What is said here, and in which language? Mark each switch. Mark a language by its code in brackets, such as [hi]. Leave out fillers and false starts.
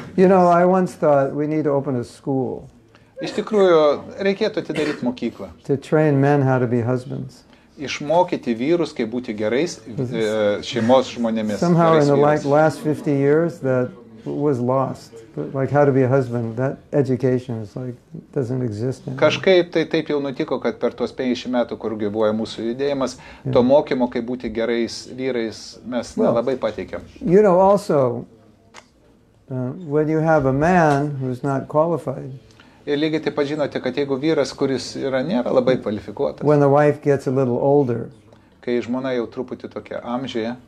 [en] You know, I once thought we need to open a school. [lt] Iš tikrųjų, reikėtų atidaryti mokyklą. [en] To train men how to be husbands. [lt] išmokyti vyrus, kaip būti gerais šeimos žmonėmis. [en] Somehow in the like last 50 years that was lost. Like how to be a husband, that education is like doesn't exist. Anymore. [lt] Kažkaip tai taip jau nutiko, kad per tuos 50 metų, kur gyvuoja mūsų judėjimas, to mokymo, kaip būti gerais vyrais, mes nelabai pateikėm. [en] You know also when you have a man who's not qualified. [lt] Ir lygiai taip pat žinote, kad jeigu vyras, kuris yra nėra labai kvalifikuotas. [en] When the wife gets a little older. [lt] Kai žmona jau truputį tokia amžiuje.